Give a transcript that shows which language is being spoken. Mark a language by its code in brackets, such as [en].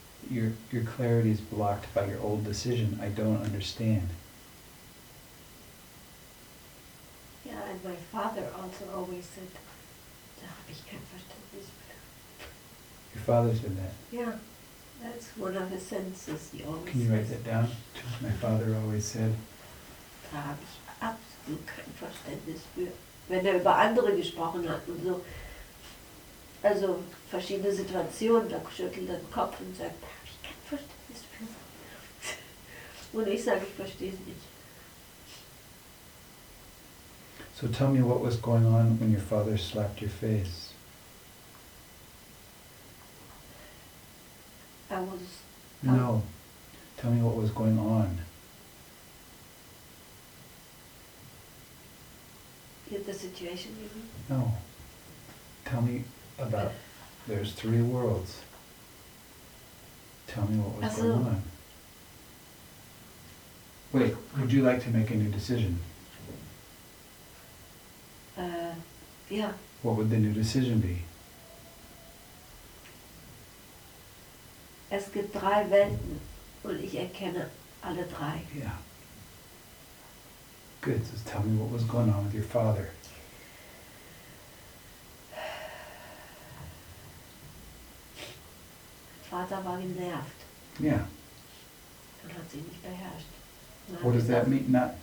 [en] Your clarity is blocked by your old decision, I don't understand. Yeah, and my father also always said, [de] da habe ich kein Verständnis mehr. [en] Your father said that. Yeah, that's one of his sentences he always Can you write that down? My father always said. [de] Da habe ich absolut kein Verständnis für, wenn er über andere gesprochen hat und so. Also verschiedene Situationen, da schüttelt er den Kopf und sagt, da habe ich kein Verständnis für. Und ich sage, ich verstehe es nicht. [en] So tell me what was going on when your father slapped your face. No. Tell me what was going on. In the situation you mean? No. Tell me about there's three worlds. Tell me what was going on. Wait, would you like to make a new decision? Yeah. What would the new decision be? [de] Es gibt drei Welten und ich erkenne alle drei. [en] Yeah. Good. So tell me what was going on with your father. [de] Mein Vater war genervt. [en] Yeah. [de] Und hat sich nicht beherrscht. [en] What does that mean? Not